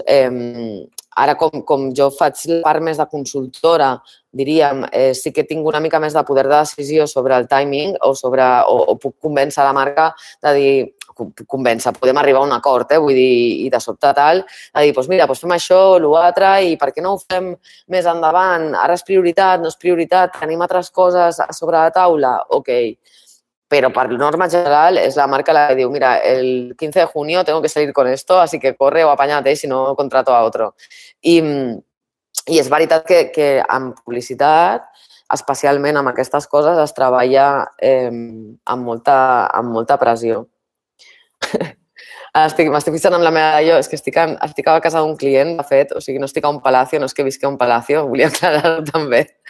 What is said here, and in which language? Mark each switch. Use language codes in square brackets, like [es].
[ca] Ara, com jo faig la part més de consultora, diríem, sí que tinc una mica més de poder de decisió sobre el timing o puc convèncer la marca de dir... convèncer, podem arribar a un acord, vull dir, i de sobte tal, a dir, doncs mira, doncs fem això o l'altre i per què no ho fem més endavant? Ara és prioritat, no és prioritat, tenim altres coses a sobre la taula? Ok. Però per norma general és la marca la que diu, mira, [es] el 15 de junio tengo que salir con esto, así que corre o apañate, si no contrato a otro. [ca] I és veritat que amb publicitat, especialment amb aquestes coses, es treballa amb molta pressió. M'estic fixant amb la meva... Jo és que estic a casa d'un client, de fet, o sigui, no estic a [es] un palacio, [ca] no és que visqui a un palacio, volia aclarar-ho també.